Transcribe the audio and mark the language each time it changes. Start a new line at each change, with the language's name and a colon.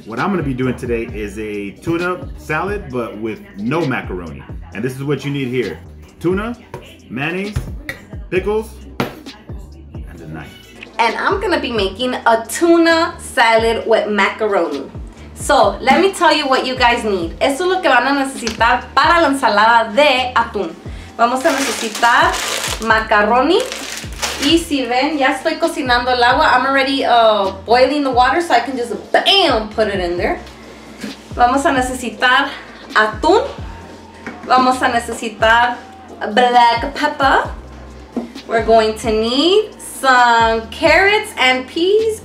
English: What I'm going to be doing today is a tuna salad, but with no macaroni. And this is what you need here. Tuna, mayonnaise, pickles, and a knife. And I'm going to be making a tuna salad with macaroni. So let me tell you what you guys need.
Spanish: Esto es lo que van a necesitar para la ensalada de atún. Vamos a necesitar macaroni. Y si ven, ya estoy cocinando el agua.
English: I'm already boiling the water so I can just bam, put it in there.
Spanish: Vamos a necesitar atún. Vamos a necesitar black pepper.
English: We're going to need some carrots and peas.